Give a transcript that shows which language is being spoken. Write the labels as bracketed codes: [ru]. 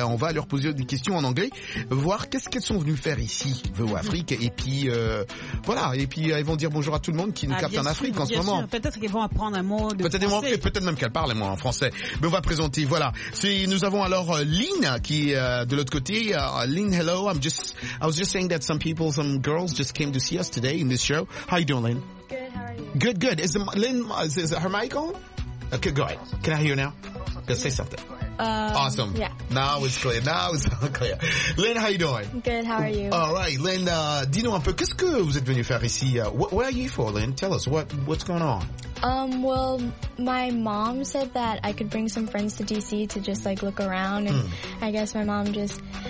[fr] On va leur poser des questions en anglais, voir qu'est-ce qu'elles sont venues faire ici, VO Afrique. Et puis, voilà. Et puis, elles vont dire bonjour à tout le monde qui nous capte en Afrique en ce moment. Peut-être qu'elles vont apprendre un mot de peut-être français. Peut-être même qu'elles parlent un mot en français. Mais on va présenter, voilà. Nous avons alors Lynn qui est de l'autre côté. [en] Lynn, hello. I was just saying that some girls just came to see us today in this show. How you doing, Lynn? Good, how are you? Good, good. Is Lynn, is her mic on? Okay, go ahead. Can I hear you now? Just say something. Awesome. Yeah. Now it's clear. Lynn, how you doing? Good, how are you? All right, [fr] Lynn, dis-nous un peu, qu'est-ce que vous êtes venu faire ici? [en] Where are you for, Lynn? Tell us, what's going on? Well, my mom said that I could bring some friends to D.C. to just, look around, and I guess my mom just